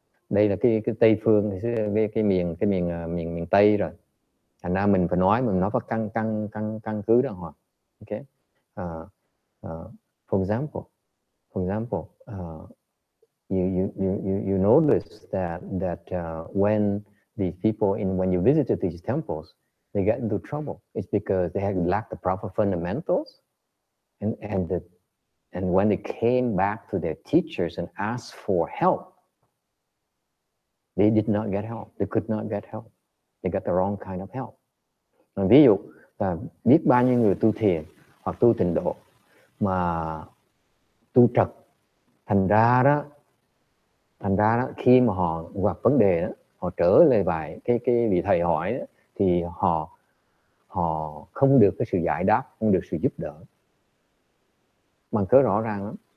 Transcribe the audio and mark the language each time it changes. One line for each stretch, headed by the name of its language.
Vietnamese: Đây là cái Tây phương cái miền Tây rồi. Thành ra mình phải nói phải căn cứ đó hoặc ok.
English: For example, you notice that when these people when you visited these temples, they get into trouble. It's because they had lacked the proper fundamentals, and when they came back to their teachers and asked for help, they did not get help. They could not get help. They got the wrong kind of help.
Vietnamese: Ví dụ là biết bao nhiêu người tu thiền hoặc tu tịnh độ mà tu trật, thành ra đó khi mà họ gặp vấn đề đó, họ trở lại vài cái vị thầy hỏi đó, thì họ không được cái sự giải đáp, không được sự giúp đỡ, bằng cớ rõ ràng lắm.